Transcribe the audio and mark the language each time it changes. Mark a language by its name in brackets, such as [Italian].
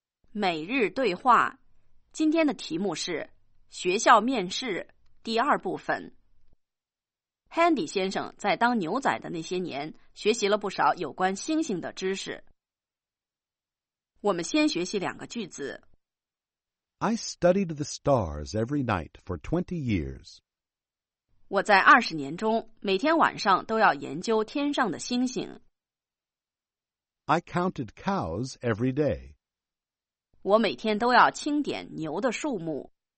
[Chinese] 每日对话，今天的题目是学校面试第二部分。 Handy 先生在当牛仔的那些年学习了不少有关猩猩的知识。我们先学习两个句子。 [English] I studied the stars every night for 20 years. [Chinese] 我在20年中每天晚上都要研究天上的星星。 [English] I counted cows every day. [Chinese] 我每天都要清点牛的数目。